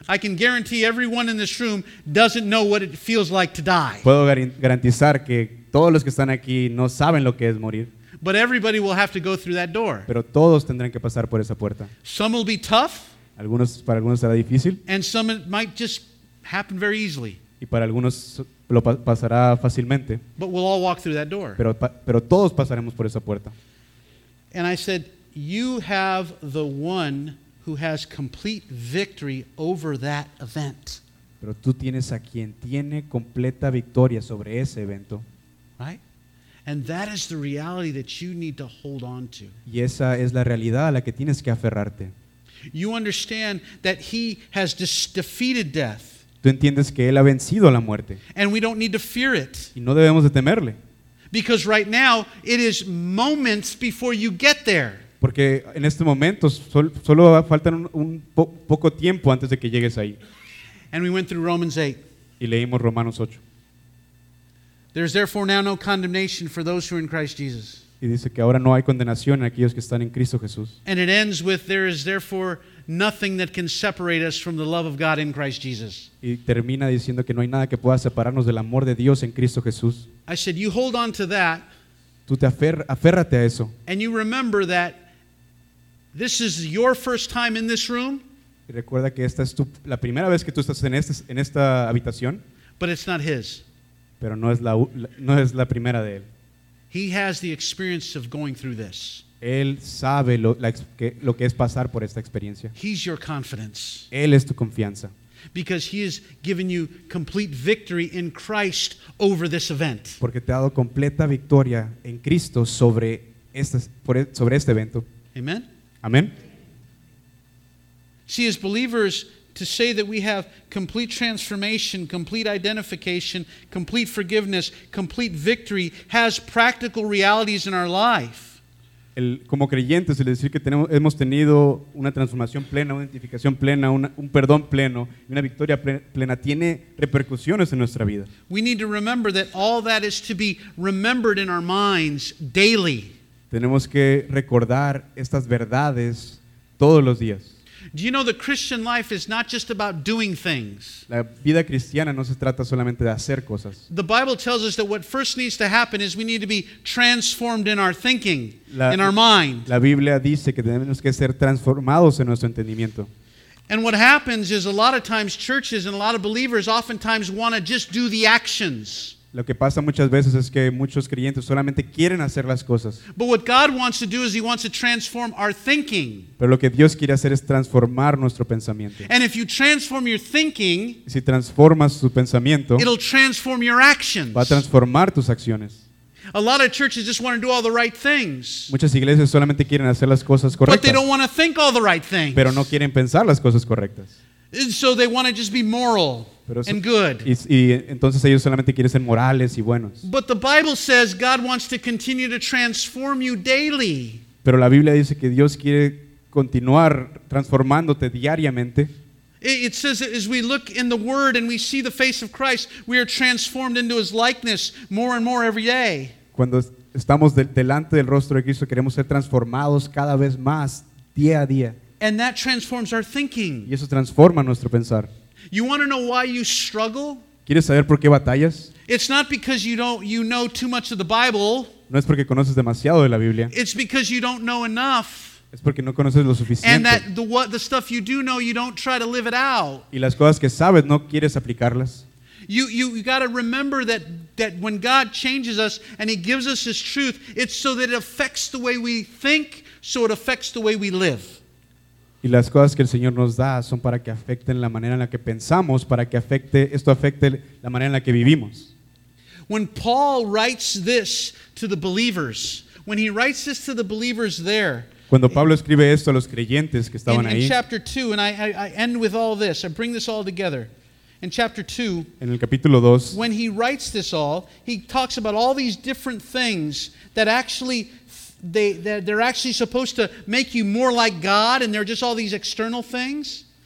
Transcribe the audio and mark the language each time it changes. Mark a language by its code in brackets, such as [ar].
[en] I can guarantee everyone in this room doesn't know what it feels like to die. [es] Puedo garantizar que todos los que están aquí no saben lo que es morir. [en] But everybody will have to go through that door. [es] Pero todos tendrán que pasar por esa puerta. [en] Some will be tough. [es] Algunos, para algunos será difícil. [en] And some it might just happen very easily. [es] Y para algunos lo pasará fácilmente. [en] But we'll all walk through that door. [es] Pero todos pasaremos por esa puerta. [en] And I said, you have the one who has complete victory over that event. [es] Pero tú tienes a quien tiene completa victoria sobre ese evento. [en] Right? And that is the reality that you need to hold on to. [es] Y esa es la realidad a la que tienes que aferrarte. [en] You understand that he has defeated death. [es] Tú entiendes que él ha vencido a la muerte. [en] And we don't need to fear it. [es] Y no debemos de temerle. [en] Because right now it is moments before you get there. [es] Porque en este momento solo falta poco tiempo antes de que llegues ahí. [en] And we went through Romans 8. [es] Y leímos Romanos 8. [en] There is therefore now no condemnation for those who are in Christ Jesus. [es] Y dice que ahora no hay condenación en aquellos que están en Cristo Jesús. [en] And it ends with there is therefore nothing that can separate us from the love of God in Christ Jesus. [es] Y termina diciendo que no hay nada que pueda separarnos del amor de Dios en Cristo Jesús. [en] I said, you hold on to that. [es] Tú te aférrate a eso. [en] And you remember that this is your first time in this room. [es] Y recuerda que esta es la primera vez que tú estás en esta habitación. [en] But it's not his. [es] Pero no es la primera de él. [en] He has the experience of going through this. [es] Él sabe lo que es pasar por esta experiencia. [en] He's your confidence. [es] Él es tu confianza. [en] Because he has given you complete victory in Christ over this event. [es] Porque te ha dado completa victoria en Cristo sobre este evento. [en] Amen. [es] Amen. [en] See, as believers, to say that we have complete transformation, complete identification, complete forgiveness, complete victory has practical realities in our life. [es] Como creyentes, el decir que hemos tenido una transformación plena, una identificación plena, un perdón pleno, una victoria plena, tiene repercusiones en nuestra vida. [en] We need to remember that all that is to be remembered in our minds daily. [es] Tenemos que recordar estas verdades todos los días. [en] Do you know the Christian life is not just about doing things? [es] La vida cristiana no se trata solamente de hacer cosas. [en] The Bible tells us that what first needs to happen is we need to be transformed in our thinking, in our mind. [es] La Biblia dice que tenemos que ser transformados en nuestro entendimiento. [en] And what happens is a lot of times churches and a lot of believers oftentimes want to just do the actions. [es] Lo que pasa muchas veces es que muchos creyentes solamente quieren hacer las cosas. [en] But what God wants to do is he wants to transform our thinking. [es] Pero lo que Dios quiere hacer es transformar nuestro pensamiento. [en] And if you transform your thinking, [es] si transformas tu pensamiento, [en] it'll transform your actions. [es] Va a transformar tus acciones. [en] A lot of churches just want to do all the right things. [es] Muchas iglesias solamente quieren hacer las cosas correctas. [en] But they don't want to think all the right things. [es] Pero no quieren pensar las cosas correctas. [en] And so they want to just be moral. [es] Pero [en] and good. [es] Y entonces ellos solamente quieren ser morales y buenos. [en] But the Bible says God wants to continue to transform you daily. [es] Pero la Biblia dice que Dios quiere continuar transformándote diariamente. [en] It says that as we look in the Word and we see the face of Christ, we are transformed into His likeness more and more every day. [es] Cuando estamos delante del rostro de Cristo, queremos ser transformados cada vez más día a día. [en] And that transforms our thinking. [es] Y eso transforma nuestro pensar. [en] You want to know why you struggle? [es] ¿Quieres saber por qué batallas? [en] It's not because you know too much of the Bible. [es] No es porque conoces demasiado de la Biblia. [en] It's because you don't know enough. [es] Es porque no conoces lo suficiente. [en] And that the stuff you do know, you don't try to live it out. [es] Y las cosas que sabes no quieres aplicarlas. [en] You got to remember that when God changes us and he gives us his truth, it's so that it affects the way we think, so it affects the way we live. [es] Y las cosas que el Señor nos da son para que afecten la manera en la que pensamos, para que afecte la manera en la que vivimos. [en] When Paul writes this to the believers, when he writes this to the believers there, [es] cuando Pablo escribe esto a los creyentes que estaban ahí. [en] In chapter 2, and I end with all this. I bring this all together. In chapter 2, [es] en el capítulo 2, [en] when he writes this all, he talks about all these different things that actually they're actually supposed to make you more like God, and they're just all these external things.